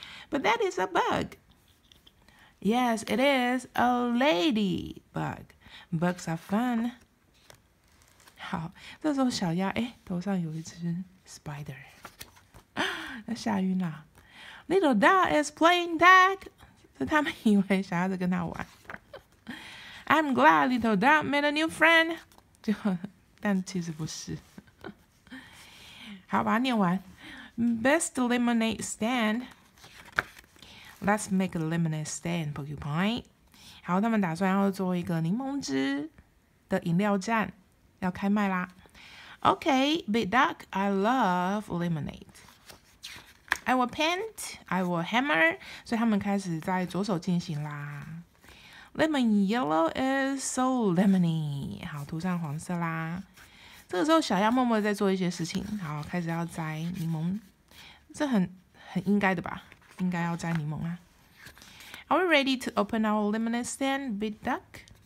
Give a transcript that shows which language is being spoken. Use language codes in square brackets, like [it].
[en] But that is a bug. Yes, it is a ladybug. Bugs are fun. [zh] 好，这时候小鸭，头上有一只 spider. 那吓晕了。 [en] Little duck is playing tag. [zh] 所以他们以为小鸭在跟他玩。 [en] I'm glad little duck made a new friend. [zh] 但其实不是。好，把它念完。 [en] Best lemonade stand. Let's make a lemonade stand, porcupine. [zh] 好，他们打算要做一个柠檬汁的饮料站，要开卖啦。 [en] Okay, big duck, I love lemonade. I will paint, I will hammer. [zh] 所以他们开始在着手进行啦。 [en] Lemon yellow is so lemony. [zh] 好，涂上黄色啦。这个时候小鸭默默在做一些事情，好，开始要摘柠檬，这很应该的吧，应该要摘柠檬啊。 [en] Are we ready to open our lemonade stand, big duck?